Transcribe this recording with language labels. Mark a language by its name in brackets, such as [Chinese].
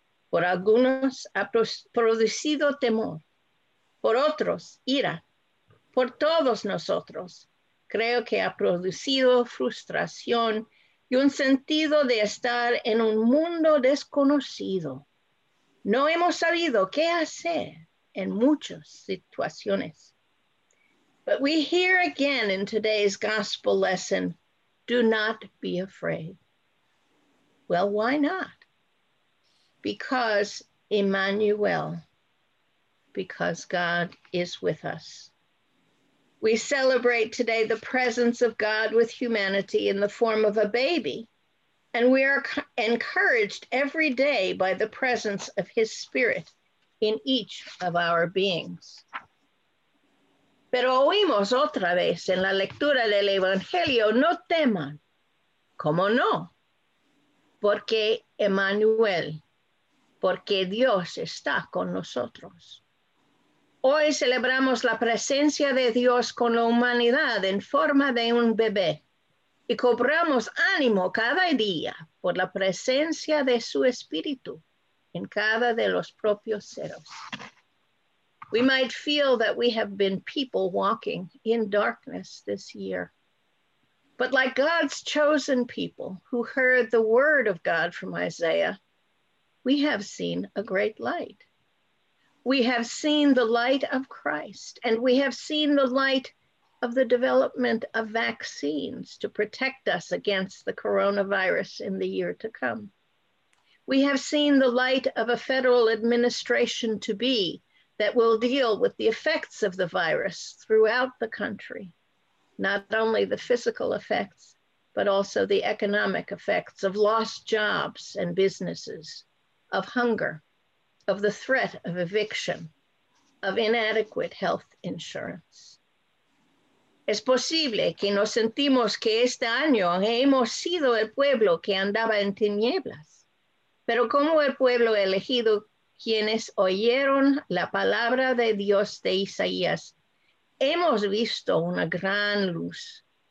[Spanish] Por algunos ha producido temor, por otros ira, por todos nosotros creo que ha producido frustración y un sentido de estar en un mundo desconocido. No hemos sabido qué hacer en muchas situaciones. [English] But we hear again in today's gospel lesson, do not be afraid. Well, why not? Because Emmanuel, because God is with us. We celebrate today the presence of God with humanity in the form of a baby, and we are encouraged every day by the presence of his spirit in each of our beings. [Spanish] Pero oímos otra vez en la lectura del Evangelio, no teman. ¿Cómo no? Porque Emmanuel, porque Dios está con nosotros. Hoy celebramos la presencia de Dios con la humanidad en forma de un bebé y cobramos ánimo cada día por la presencia de su espíritu en cada de los propios seres. [English] We might feel that we have been people walking in darkness this year. But like God's chosen people who heard the word of God from Isaiah, we have seen a great light. We have seen the light of Christ, and we have seen the light of the development of vaccines to protect us against the coronavirus in the year to come. We have seen the light of a federal administration to be that will deal with the effects of the virus throughout the country, not only the physical effects, but also the economic effects of lost jobs and businesses, of hunger, of the threat of eviction, of inadequate health insurance. [Spanish] Es posible que nos sentimos que este año hemos sido el pueblo que andaba en tinieblas, pero como el pueblo elegido quienes oyeron la palabra de Dios de Isaías, hemos visto una gran luz.